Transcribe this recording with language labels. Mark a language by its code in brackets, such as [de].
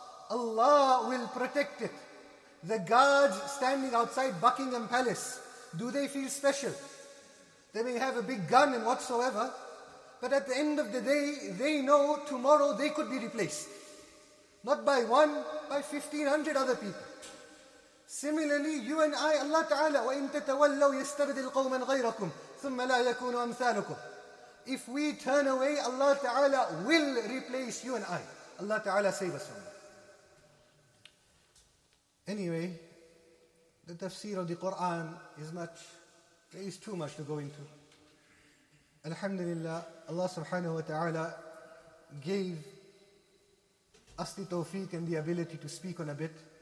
[en] Allah will protect it. The guards standing outside Buckingham Palace, do they feel special? They may have a big gun and whatsoever, but at the end of the day, they know tomorrow they could be replaced. Not by one, by 1,500 other people. Similarly, you and I, [ar] Allah Ta'ala, وَإِن تَتَوَلَّوْا يَسْتَبْدِ الْقَوْمَ غَيْرَكُمْ ثُمَّ لَا يَكُونُ أَمْثَالُكُمْ. [en] If we turn away, Allah Ta'ala will replace you and I. Allah Ta'ala save us from that. Anyway, the tafsir of the Qur'an is much, there is too much to go into. Alhamdulillah, Allah subhanahu wa ta'ala gave us the tawfiq and the ability to speak on a bit.